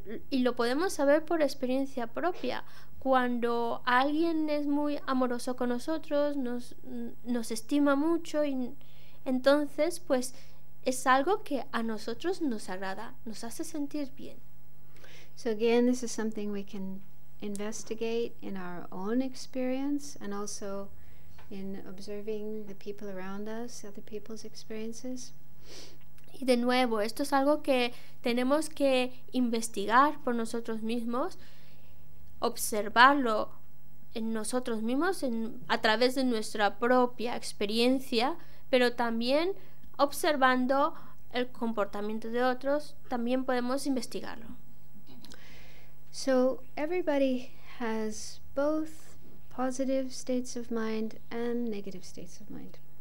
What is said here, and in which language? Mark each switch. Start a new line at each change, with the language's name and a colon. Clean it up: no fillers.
Spanish: Y lo podemos saber por experiencia propia. Cuando alguien es muy amoroso con nosotros, nos estima mucho, y entonces pues es algo que a nosotros nos agrada, nos hace sentir bien.
English: So again, this is something we can investigate in our own experience and also in observing the people around us, other people's experiences.
Spanish: Y de nuevo, esto es algo que tenemos que investigar por nosotros mismos, observarlo en nosotros mismos, a través de nuestra propia experiencia, pero también observando el comportamiento de otros, también podemos investigarlo.
English: So everybody has both positive states of mind and negative states of mind.